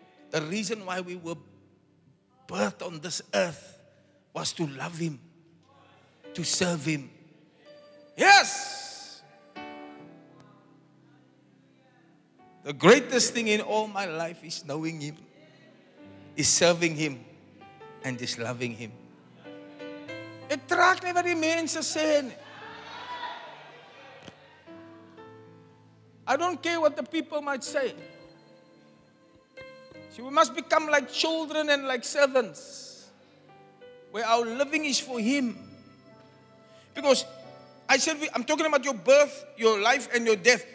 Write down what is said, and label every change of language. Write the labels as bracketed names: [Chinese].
[English] The reason why we were birthed on this earth was to love Him, to serve Him. Yes! The greatest thing in all my life is knowing Him, is serving Him, and is loving Him. [Afrikaans] It raak nie wat die mense sê nie. [English] I don't care what the people might say. See, we must become like children and like servants, where our living is for Him. Because I said, I'm talking about your birth, your life and your death.